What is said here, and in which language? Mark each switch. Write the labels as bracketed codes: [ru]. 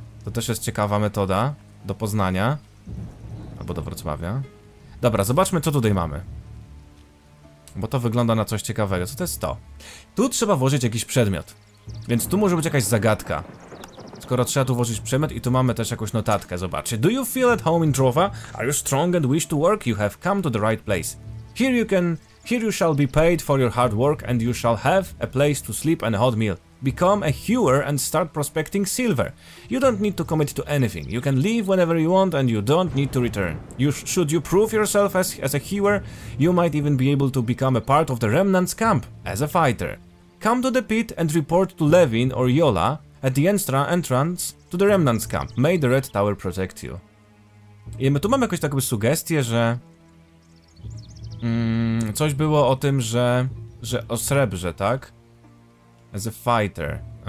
[pl] To też jest ciekawa metoda do Poznania albo do Wrocławia. Dobra, zobaczmy, co tutaj mamy. Bo to wygląda na coś ciekawego. Co to jest to? Tu trzeba włożyć jakiś przedmiot. Więc tu może być jakaś zagadka. Skoro trzeba tu włożyć przedmiot i tu mamy też jakąś notatkę, zobaczcie. [en] Do you feel at home in Drova? Are you strong and wish to work? You have come to the right place. Here you can... Here you shall be paid for your hard work and you shall have a place to sleep and a hot meal. Become a hewer and start prospecting silver. You don't need to commit to anything. You can leave whenever you want and you don't need to return. Should you prove yourself as a hewer, you might even be able to become a part of the Remnant's camp as a fighter. Come to the pit and report to Levin or Yola at the entrance to the Remnant's camp. May the Red Tower protect you. [pl] I my tu mamy jakąś taką sugestię, że... coś było o tym, że o srebrze, tak? [en] As a fighter.